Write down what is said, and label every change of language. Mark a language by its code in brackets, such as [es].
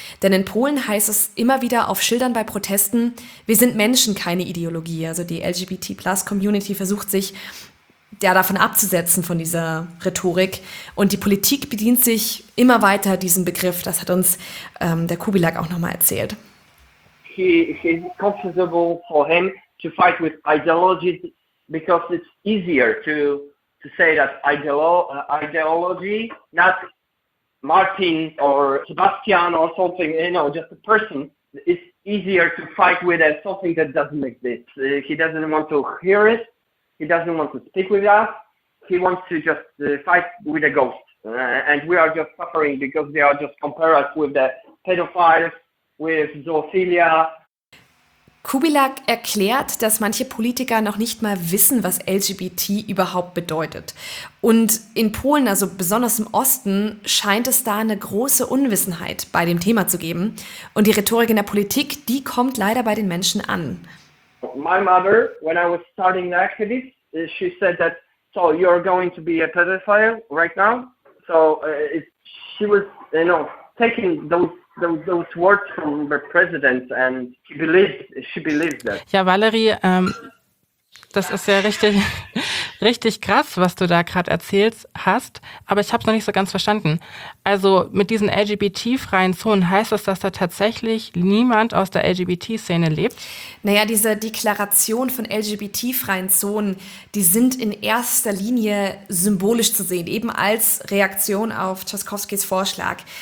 [de] Denn in Polen heißt es immer wieder auf Schildern bei Protesten, wir sind Menschen, keine Ideologie. Also die LGBT-Plus-Community versucht sich davon abzusetzen, von dieser Rhetorik. Und die Politik bedient sich immer weiter diesem Begriff. Das hat uns der Kubilak auch nochmal erzählt. [en] He is comfortable for him to fight with ideology because it's easier to say that ideology, not Martin or Sebastian or something, just a person, it's easier to fight with something that doesn't exist. He doesn't want to hear it. He doesn't want to speak with us. He wants to just fight with a ghost. And we are just suffering because they are just comparing us with the pedophiles, with zoophilia. [de] Kubilak erklärt, dass manche Politiker noch nicht mal wissen, was LGBT überhaupt bedeutet. Und in Polen, also besonders im Osten, scheint es da eine große Unwissenheit bei dem Thema zu geben. Und die Rhetorik in der Politik, die kommt leider bei den Menschen an. [en] My mother, when I was starting the activist, she said that, so you're going to be a pedophile right now? So she was, taking those words from the president and she believed that. [de] Ja, Valerie, das ist ja richtig, richtig krass, was du da gerade erzählt hast, aber ich habe es noch nicht so ganz verstanden. Also mit diesen LGBT-freien Zonen heißt das, dass da tatsächlich niemand aus der LGBT-Szene lebt? Naja, diese Deklaration von LGBT-freien Zonen, die sind in erster Linie symbolisch zu sehen, eben als Reaktion auf Trzaskowskis Vorschlag.